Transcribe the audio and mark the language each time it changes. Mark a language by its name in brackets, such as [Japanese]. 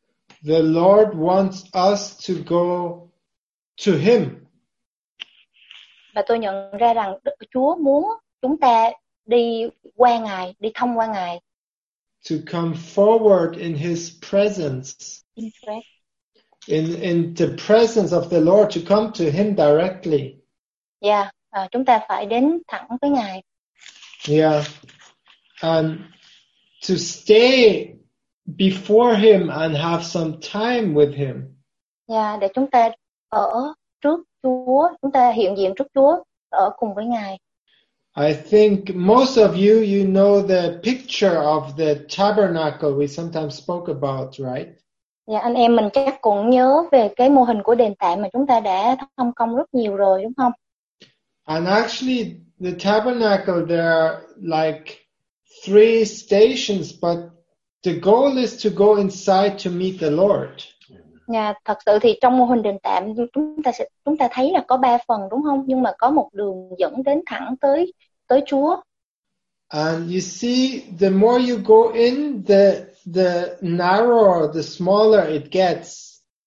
[English] The Lord wants us to go to Him. [Vietnamese] Và tôi nhận ra rằng Chúa muốn chúng ta đi qua Ngài, đi thông qua Ngài. [English] To come forward in His presence. In the presence of the Lord, to come to Him directly. [Vietnamese] Yeah, chúng ta phải đến thẳng với Ngài. [English] Yeah. And to stay before Him and have some time with Him. [Vietnamese] Yeah, để chúng ta ở trước Chúa, chúng ta hiện diện trước Chúa, ở cùng với Ngài. [English] I think most of you know the picture of the tabernacle we sometimes spoke about, right? [Vietnamese] Yeah, anh em mình chắc cũng nhớ về cái mô hình của đền tạm mà chúng ta đã tham công rất nhiều rồi, đúng không? [English] And actually, the tabernacle there are like three stations, but the goal is to go inside to meet the Lord. [Vietnamese] Yeah, thật sự thì trong mô hình đền tạm chúng ta thấy là có ba phần đúng không, nhưng mà có một đường dẫn đến thẳng tới Chúa. [English] And you see, the more you go in, the narrower, the smaller it gets.